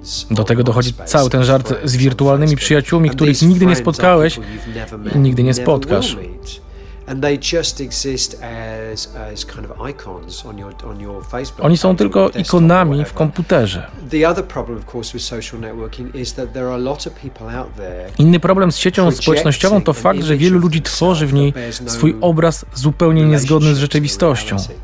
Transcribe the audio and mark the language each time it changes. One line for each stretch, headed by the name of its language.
Polish: Do tego dochodzi cały ten żart z wirtualnymi przyjaciółmi, których nigdy nie spotkałeś i nigdy nie spotkasz.
English: And they just exist as kind of icons on your Facebook.
Polish: Oni są tylko ikonami w komputerze.
English: The other problem, of course, with social networking is that there are a lot of people out there.
Polish: Inny problem z siecią społecznościową to fakt, że wielu ludzi tworzy w niej swój obraz zupełnie niezgodny z rzeczywistością.